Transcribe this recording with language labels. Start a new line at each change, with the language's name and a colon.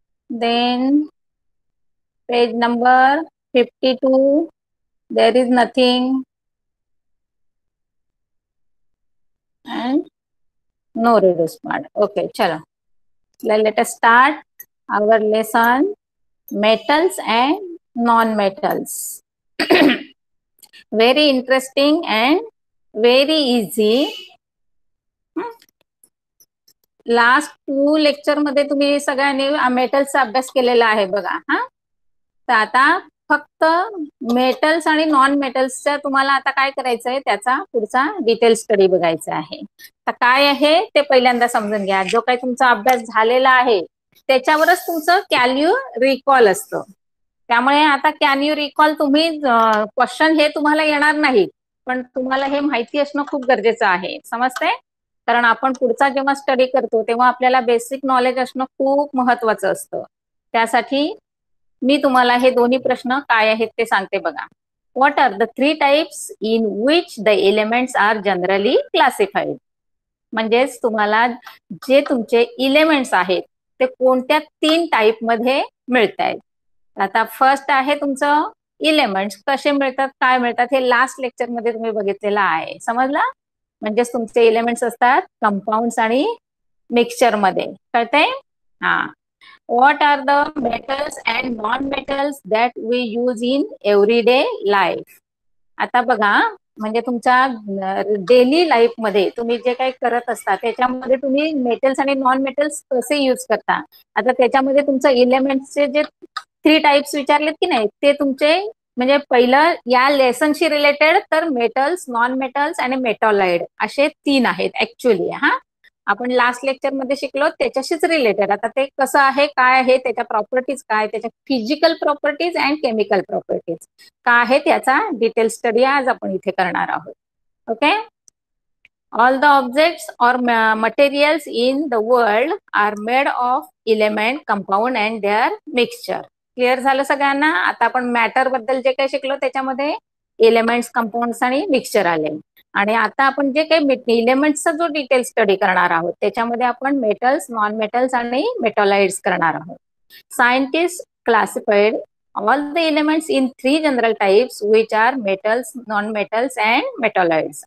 English: Then page number 52, there is nothing and no reduce part. Okay चलो let us start our lesson metals and non metals. Very interesting and very easy.
Marathi: Last to lecture मध्ये तुम्ही सगळ्यांनी metals अभ्यास केलेला आहे बघा। हा तर आता फक्त मेटल्स आणि नॉन मेटल्सचा तुम्हाला आता काय करायचं आहे त्याचा पुढचा डिटेल स्टडी बघायचा आहे। तर काय आहे ते पहिल्यांदा समजून घ्या। जो काही तुमचा अभ्यास झालेला आहे त्याच्यावरच तुमचं
English: can you recall
Marathi: असतं, त्यामुळे आता कॅन यू रिकॉल तुम्ही क्वेश्चन हे तुम्हाला येणार नाही पण तुम्हाला हे माहिती असणं खूप गरजेचं आहे। समजतंय? कारण आपण पुढचा जेव्हा स्टडी करतो तेव्हा आपल्याला बेसिक नॉलेज असणं खूप महत्वाचं असतं। त्यासाठी मी तुम्हाला हे दोन्ही प्रश्न काय आहेत ते सांगते बघा।
English: What are the three types in which the elements are generally classified?
Marathi: म्हणजेच तुम्हाला जे तुमचे इलेमेंट्स आहेत ते कोणत्या तीन टाइप मध्ये मिळत आहेत? आता फर्स्ट आहे तुमचं इलेमेंट्स कसे मिळतात काय मिळतात हे लास्ट लेक्चर मध्ये तुम्ही बघितलेलं आहे। समजला? म्हणजे तुमचे एलिमेंट्स असतात कंपाउंड आणि मिक्सचर मध्ये। कळतंय? हा।
English: What are the metals and non metals that we use in everyday life?
Marathi: आता बघा म्हणजे तुमच्या डेली लाईफ मध्ये तुम्ही जे काही करत असता त्याच्यामध्ये तुम्ही मेटल्स आणि नॉन मेटल्स कसे युज करता? आता त्याच्यामध्ये तुमचं इलेमेंट्सचे जे थ्री टाइप्स विचारलेत की नाही ते तुमचे म्हणजे पहिलं या लेसनशी रिलेटेड तर मेटल्स नॉन मेटल्स आणि मेटॉलाइड असे तीन आहेत ऍक्च्युअली। हा आपण लास्ट लेक्चर मध्ये शिकलो त्याच्याशीच रिलेटेड। आता ते कसं आहे काय आहे त्याच्या प्रॉपर्टीज काय त्याच्या
English: physical properties and chemical properties
Marathi: काय आहे त्याचा डिटेल स्टडी आज आपण इथे करणार आहोत। Okay.
English: All the objects or materials in the world are made of element compound and their mixture.
Marathi: Clear झालं सगळ्यांना? आता आपण मॅटर बद्दल जे काही शिकलो त्याच्यामध्ये एलिमेंट्स कंपाउंड आणि मिक्सचर आले, आणि आता आपण जे काही इलिमेंट्सचा जो डिटेल स्टडी करणार आहोत त्याच्यामध्ये आपण मेटल्स नॉन मेटल्स आणि मेटॉलाइड्स करणार आहोत।
English: Scientist classified all the elements in three general types which are metals non metals and metalloids.